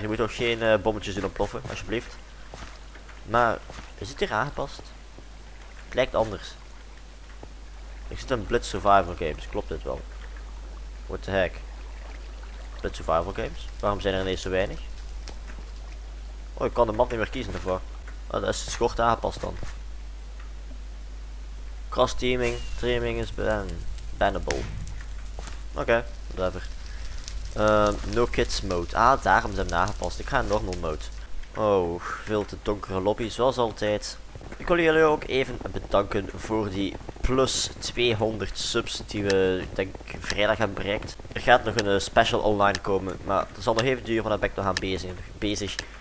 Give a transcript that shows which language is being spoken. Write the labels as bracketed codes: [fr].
[nl] Je moet nog geen bommetjes doen ontploffen, alsjeblieft. Maar, is het hier aangepast? Het lijkt anders. Ik zit in Blitz Survival Games, klopt dit wel? [en] What the heck? [nl] Blitz Survival Games? Waarom zijn er ineens zo weinig? Oh, ik kan de map niet meer kiezen ervoor. Oh, dat is schort aangepast dan. [en] Cross teaming, streaming is bannable. Oké, whatever. No kids mode. [nl] Ah, daarom zijn ze aangepast. Ik ga in normal mode. Oh, veel te donkere lobby zoals altijd. Ik wil jullie ook even bedanken voor die plus 200 subs die we denk ik vrijdag hebben bereikt. Er gaat nog een special online komen, maar dat zal nog even duren, want daar ben ik nog aan bezig.